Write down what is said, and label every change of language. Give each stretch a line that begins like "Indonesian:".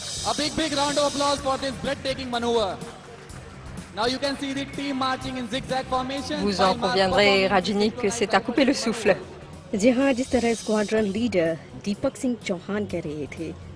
English: A big, big round of applause for this breathtaking maneuver. Now you can see the team marching in zigzag formation.
French: Vous en conviendrez, Rajini, que c'est à couper le souffle.
Hindi: जी हाँ जिस तरह squadron leader Deepak Singh Chauhan कह रहे थे